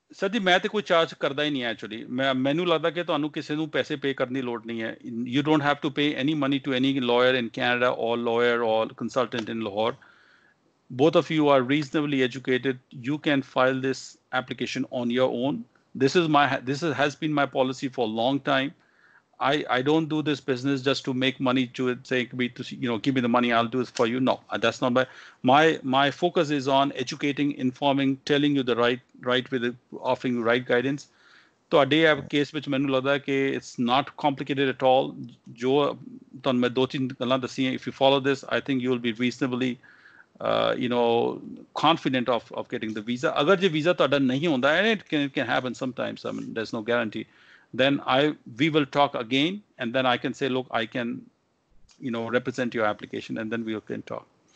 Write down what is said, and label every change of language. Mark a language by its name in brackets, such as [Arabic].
[Punjabi] Sir ਜੀ ਮੈਂ ਤਾਂ ਕੋਈ ਚਾਰਜ ਕਰਦਾ ਹੀ ਨਹੀਂ ਐਕਚੁਅਲੀ. ਮੈਨੂੰ ਲੱਗਦਾ ਕਿ ਤੁਹਾਨੂੰ ਕਿਸੇ ਨੂੰ ਪੈਸੇ ਪੇ ਕਰਨ ਦੀ ਲੋੜ ਨਹੀਂ ਹੈ. [English] You don't have to pay any money to any lawyer in Canada or lawyer or consultant in Lahore. Both of you are reasonably educated, you can file this application on your own. This is my, this is has been my policy for long time. I don't do this business just to make money, to say, you know, give me the money, I'll do this for you. No, that's not my focus is on educating, informing, telling you the right way, offering you right guidance. [Punjabi] ਤੁਹਾਡੇ app case ਵਿੱਚ ਮੈਨੂੰ ਲੱਗਦਾ ਕਿ [English] It's not complicated at all. [Punjabi] ਜੋ ਤੁਹਾਨੂੰ ਮੈਂ ਦੋ ਤਿੰਨ ਗੱਲਾਂ ਦੱਸੀਆਂ, [English] If you follow this, I think you will be reasonably you know confident of getting the visa. [Punjabi] ਅਗਰ ਜੇ ਵੀਜ਼ਾ ਤੁਹਾਡਾ ਨਹੀਂ ਹੁੰਦਾ, [English] And it can happen sometimes, I mean there is no guarantee, then we will talk again, and then I can say look, I can you know represent your application, and then we can talk.